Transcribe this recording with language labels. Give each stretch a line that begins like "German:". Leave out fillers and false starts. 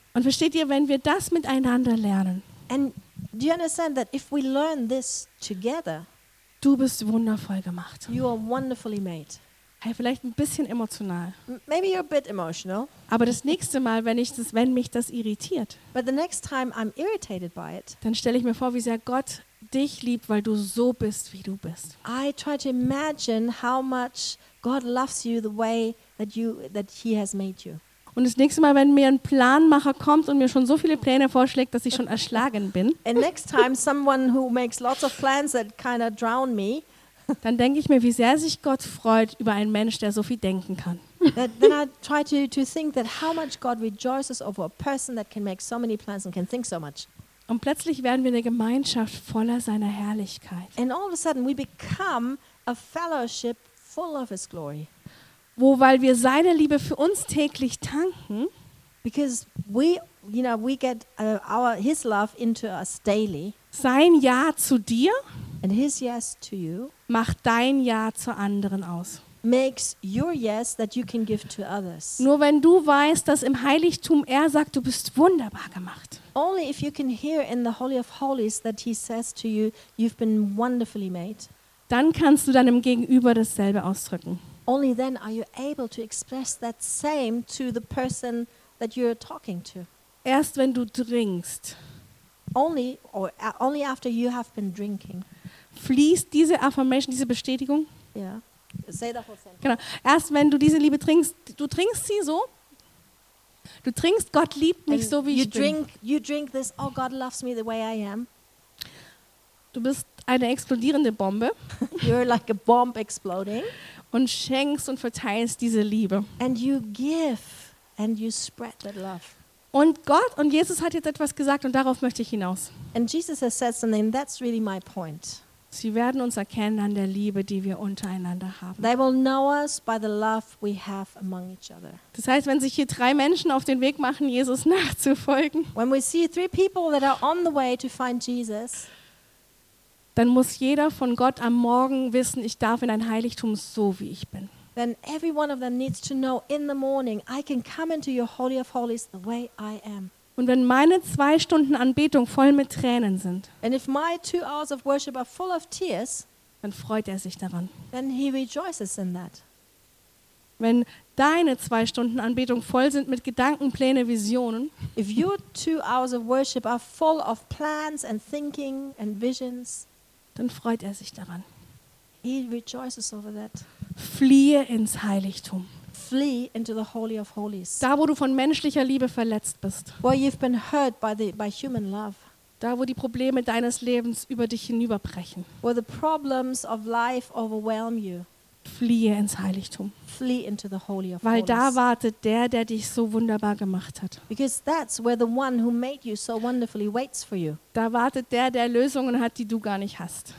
German: Und versteht ihr, wenn wir das miteinander lernen?
English: And do you understand that if we learn this together?
German: Du bist wundervoll gemacht.
English: You are wonderfully made.
German: Hey, vielleicht ein bisschen emotional.
English: Maybe you're a bit emotional.
German: Aber das nächste Mal, wenn mich das irritiert,
English: but the next time I'm irritated by it,
German: dann stelle ich mir vor, wie sehr Gott dich liebt, weil du so bist, wie du bist.
English: I try to imagine how much God loves you the way that he has made you.
German: Und das nächste Mal, wenn mir ein Planmacher kommt und mir schon so viele Pläne vorschlägt, dass ich schon erschlagen bin,
English: and next time someone who makes lots of plans that kind of drown me,
German: dann denke ich mir, wie sehr sich Gott freut über einen Mensch, der so viel denken kann.
English: Then I try to think that how much God rejoices over a person that can make so many plans and can think so much.
German: Und plötzlich werden wir eine Gemeinschaft voller seiner Herrlichkeit.
English: And all of a sudden we become a fellowship full of his glory.
German: Wo, weil wir seine Liebe für uns täglich tanken,
English: because we, you know, we get our his love into us daily.
German: Sein Ja zu dir.
English: And his yes to you
German: macht dein Ja zu anderen aus.
English: Makes your yes that you can give to others.
German: Nur wenn du weißt, dass im Heiligtum er sagt, du bist wunderbar gemacht.
English: Only if you can hear in the Holy of Holies that he says to you, you've been wonderfully made.
German: Dann kannst du deinem Gegenüber dasselbe ausdrücken.
English: Only then are you able to express that same to the person that you're talking to.
German: Erst wenn du trinkst.
English: Only after you have been drinking.
German: Fließt diese Affirmation, diese Bestätigung? Ja.
English: Say the whole sentence.
German: Genau. Erst wenn du diese Liebe trinkst, du trinkst sie so. Du trinkst, Gott liebt mich so wie ich bin.
English: You drink this, oh God loves me the way I am.
German: Du bist eine explodierende Bombe.
English: You're like a bomb exploding.
German: Und schenkst und verteilst diese Liebe.
English: And you give and you spread that love.
German: Und Gott und Jesus hat jetzt etwas gesagt und darauf möchte ich hinaus.
English: And Jesus has said something, that's really my point.
German: Sie werden uns erkennen an der Liebe, die wir untereinander haben.
English: They will know us by the love we have among each other.
German: Das heißt, wenn sich hier drei Menschen auf den Weg machen, Jesus nachzufolgen,
English: when we see three people that are on the way to find Jesus,
German: dann muss jeder von Gott am Morgen wissen, ich darf in ein Heiligtum so wie ich bin.
English: Then every one of them needs to know in the morning, I can come into your Holy of Holies the way I am.
German: Und wenn meine zwei Stunden Anbetung voll mit Tränen sind,
English: and if my 2 hours of worship are full of tears,
German: dann freut er sich daran.
English: Then he rejoices in that.
German: Wenn deine 2 Stunden Anbetung voll sind mit Gedanken, Pläne, Visionen,
English: if your 2 hours of worship are full of plans and thinking and visions,
German: dann freut er sich daran.
English: He rejoices over that.
German: Fliehe ins Heiligtum.
English: Flee into the Holy of Holies.
German: Da, wo du von menschlicher Liebe verletzt bist.
English: Where you've been hurt by human love.
German: Da, wo die Probleme deines Lebens über dich hinüberbrechen.
English: Where the problems of life overwhelm you.
German: Fliehe ins Heiligtum.
English: Flee into the Holy of Holies.
German: Weil da wartet der, der dich so wunderbar gemacht hat.
English: Because that's where the one who made you so wonderfully waits for you.
German: Da wartet der, der Lösungen hat, die du gar nicht hast.